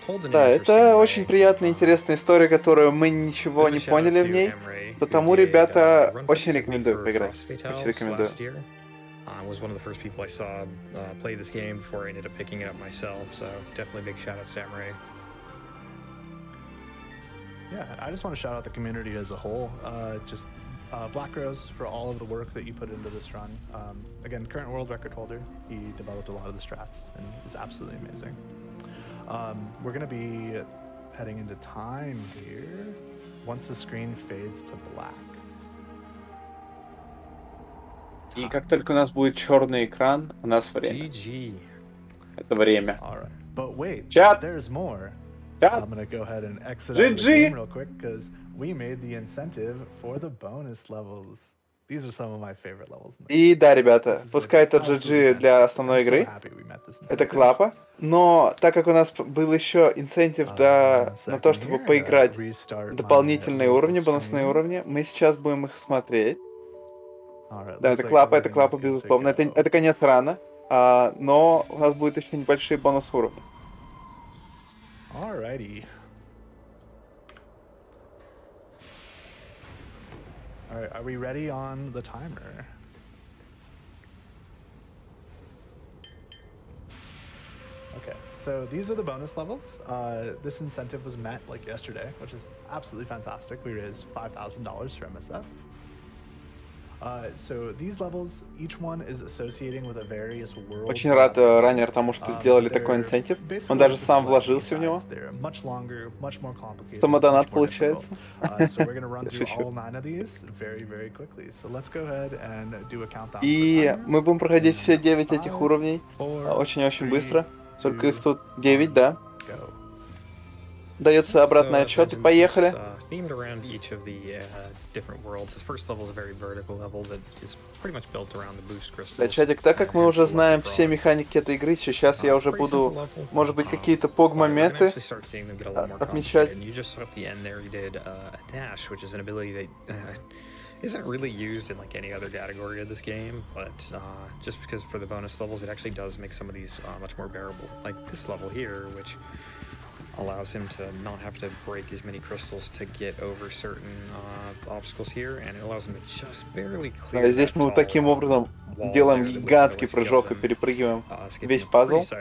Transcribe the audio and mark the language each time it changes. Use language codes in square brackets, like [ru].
[ru] Да, это очень приятная, интересная история, которую мы ничего не поняли в ней. Потому, ребята, очень рекомендую поиграть. Очень рекомендую. [en] Was one of the first people I saw play this game before I ended up picking it up myself. So definitely big shout out to Samurai. Yeah, I just want to shout out the community as a whole. Black Rose for all of the work that you put into this run. Again, current world record holder. He developed a lot of the strats and is absolutely amazing. We're gonna be heading into time here once the screen fades to black. [ru] И как только у нас будет черный экран, у нас время. GG. Это время. [en] But wait, [ru] чат! [en] There's more. [ru] Чат! [en] I'm gonna go ahead and exit out of the game real quick, because we made the incentive for the bonus levels. These are some of my favorite levels. [ru] И да, ребята, пускай это GG для основной игры. Это клапа. Но так как у нас был еще инцентив на то, чтобы поиграть дополнительные уровни, бонусные уровни, мы сейчас будем их смотреть. [en] Right, [ru] да, это клапа, безусловно. Это конец рана, но у нас будет еще небольшие бонус уровни. [en] Alrighty. Alright, are we ready on the timer? Okay, so these are the bonus levels. This incentive was met like yesterday, which is absolutely fantastic. We raised $5,000 for MSF. So these levels, each one is associating with a various world. [ru] Очень рад Райнер тому, что сделали такой инцентив. Он даже сам вложился в него. [en] Much longer, much more complicated. [ru] Что модонат получается? [en] So we're gonna run through all nine of these very, very quickly. So let's go ahead and do a countdown. [ru] И мы будем проходить все 9 этих уровней очень-очень быстро. Только их тут 9, да? Дается обратный отчет, и поехали. [en] Themed around each of the different worlds. This first level is a very vertical level that is pretty much built around the boost crystals. [ru] Да, чатик, так как мы уже знаем все механики этой игры, сейчас я уже буду, может быть, какие-то пог моменты отмечать. [en] You just saw at the end there, you did a dash, which is an ability that isn't really used in like any other category of this game, but just because for the bonus levels, it actually does make some of these much more bearable, like this level here, which allows him to not have to break as many crystals to get over certain obstacles here, and it allows him to just barely clear. [ru] Да, здесь мы вот таким образом делаем гигантский прыжок и перепрыгиваем весь пазл.